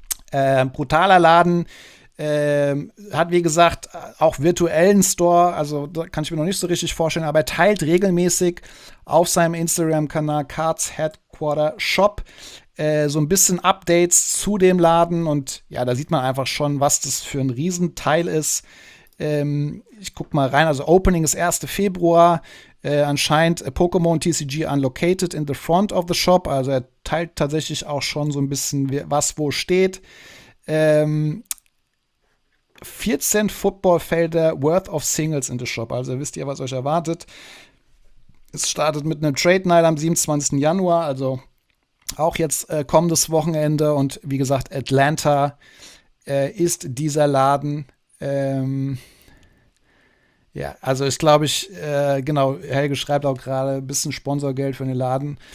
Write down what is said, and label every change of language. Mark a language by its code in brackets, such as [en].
[de] Brutaler Laden. Hat wie gesagt auch virtuellen Store, also da kann ich mir noch nicht so richtig vorstellen, aber er teilt regelmäßig auf seinem Instagram-Kanal Cards Headquarter Shop so ein bisschen Updates zu dem Laden und ja, da sieht man einfach schon, was das für ein Riesenteil ist. Ich guck mal rein, also Opening ist 1. Februar, anscheinend [en] Pokémon TCG unlocated in the front of the shop, [de] also er teilt tatsächlich auch schon so ein bisschen, was wo steht. [en] 14 Footballfelder worth of singles in the shop. [de] Also wisst ihr, was euch erwartet. Es startet mit einem Trade Night am 27. Januar, also auch jetzt kommendes Wochenende. Und wie gesagt, Atlanta ist dieser Laden. Ja, also ist, glaube ich, genau, Helge schreibt auch gerade ein bisschen Sponsorgeld für den Laden.